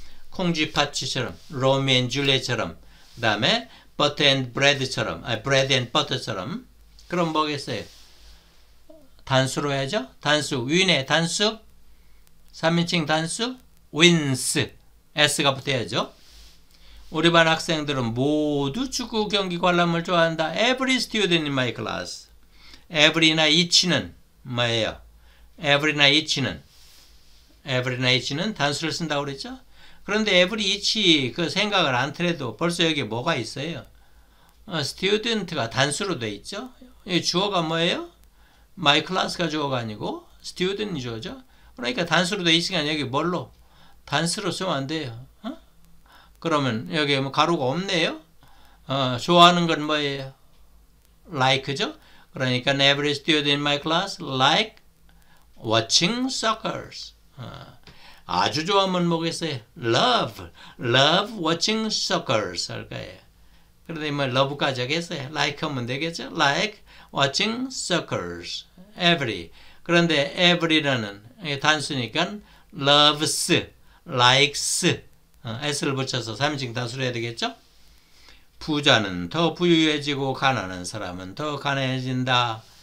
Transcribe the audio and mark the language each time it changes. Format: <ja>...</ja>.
<ko>콩쥐팥쥐처럼, 로미앤 줄리엣처럼, 그 다음에 버터앤 브레드처럼, 브레드앤 버터처럼. 그럼 뭐겠어요? 단수로 해야죠. 단수. 윈의 단수. 3인칭 단수, wins, s가 붙어야죠. 우리 반 학생들은 모두 축구 경기 관람을 좋아한다.</ko> <en>Every student in my class.</en> <ko>Every나 each는 뭐예요? Every나 each는. Every나 each는 단수를 쓴다고 그랬죠? 그런데 every each 그 생각을 안 틀어도 벌써 여기 뭐가 있어요? student가 단수로 돼 있죠? 이 주어가 뭐예요? My class가 주어가 아니고 student이 주어죠? 그러니까 단수로도 이 시간 여기 뭘로? 단수로 쓰면 안 돼요. 그러면 여기 뭐 가로가 없네요. 좋아하는 건 뭐예요? Like죠? 그러니까</ko> <en>every student in my class like watching soccer.</en> <ko>아주 좋아하면 뭐겠어요?</ko> <en>Love watching soccer</en> <ko>할 거예요. 그런데 뭐 love까지 하겠어요?</ko> <en>Like</en> <ko>하면 되겠죠?</ko> <en>Like watching soccer. Every.</en> <ko>그런데 every라는 단수니까 loves, likes, s를 붙여서 3인칭 단수로 해야 되겠죠? 부자는 더 부유해지고 가난한 사람은 더 가난해진다.</ko>